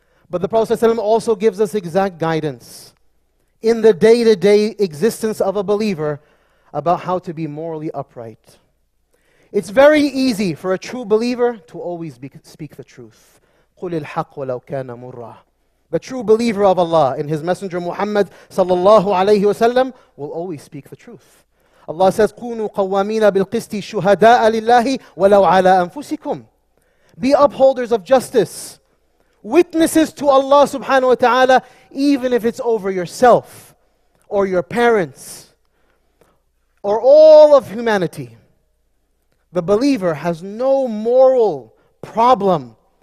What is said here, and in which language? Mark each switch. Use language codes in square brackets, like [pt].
[en] But the Prophet ﷺ also gives us exact guidance in the day-to-day existence of a believer about how to be morally upright. It's very easy for a true believer to always speak the truth. [ar] قُلِ الْحَقُّ وَلَوْ كَانَ مُرَّهُ. [en] The true believer of Allah and His Messenger Muhammad sallallahu alayhi wasallam will always speak the truth. Allah says, [ar] كُونُوا قَوَّامِينَ بِالْقِسْتِ شُهَدَاءَ لِلَّهِ وَلَوْ عَلَىٰ أَنفُسِكُمْ. [en] Be upholders of justice, witnesses to Allah subhanahu wa ta'ala, even if it's over yourself or your parents or all of humanity. The believer has no moral problem.